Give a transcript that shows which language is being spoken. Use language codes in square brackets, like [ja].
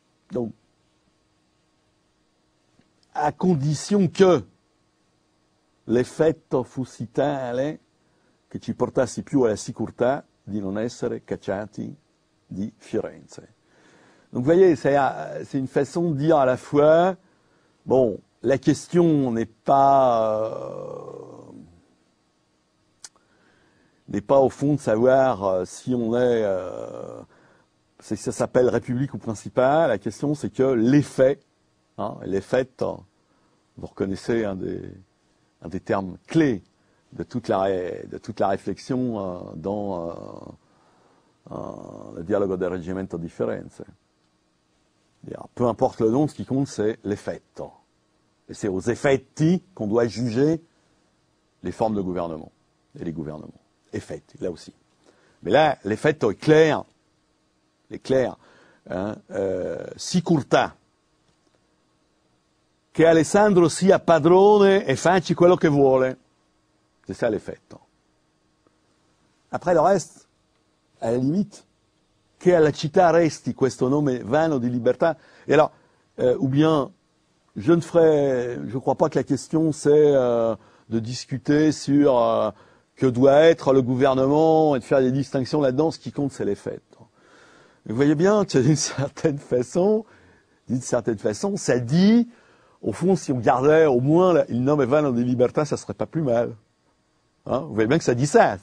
[it] Io a condizione che l'effetto fosse tale che ci portasse più alla sicurezza di non essere cacciati di Firenze. [fr] Donc, vous voyez, c'est une façon de dire à la fois, bon, la question n'est pas au fond de savoir si on est, si ça s'appelle République ou principale, la question c'est que l'effet, hein, vous reconnaissez un des termes clés de toute la réflexion dans le dialogue del Reggimento di Firenze. Peu importe le nom, ce qui compte, c'est l'effetto. Et c'est aux effetti qu'on doit juger les formes de gouvernement et les gouvernements. Effetti, là aussi. Mais là, l'effetto est clair. Il est clair. Hein? Sicurtà. [it] Che Alessandro sia padrone e facci quello che vuole. [fr] C'est ça l'effetto. Après, le reste, à la limite. [it] Che alla città resti questo nome vano di libertà. E allora, [fr] ou bien, je crois pas que la question c'est de discuter sur que doit être le gouvernement et de faire des distinctions là-dedans. Ce qui compte, c'est les faits. Vous voyez bien que d'une certaine façon, ça dit, au fond, si on gardait au moins le nom [it] vano di libertà, [fr] ça serait pas plus mal. Hein? Vous voyez bien que ça dit ça.